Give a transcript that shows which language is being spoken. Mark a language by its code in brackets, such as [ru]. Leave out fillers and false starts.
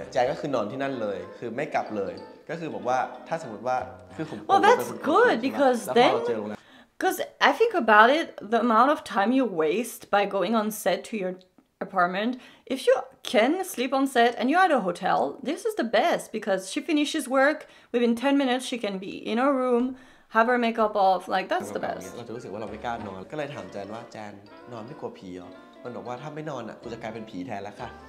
[th] แจ็คก็คือนอนที่นั่นเลยคือไม่กลับเลยก็คือบอกว่าถ้าสมมติว่าคือผม [en] Well that's good because thenBecause I think about it, the amount of time you waste by going on set to your apartment, if you can sleep on set and you're at a hotel, this is the best because she finishes work, within 10 minutes she can be in her room, have her makeup off, like that's the best. [th] เราจะรู้สึกว่าเราไม่กล้านอนก็เลยถามแจนว่าแจนนอนไม่กลัวผีหรอมันบอกว่าถ้าไม่นอนอ่ะกูจะกลายเป็นผีแทนแล้วค่ะ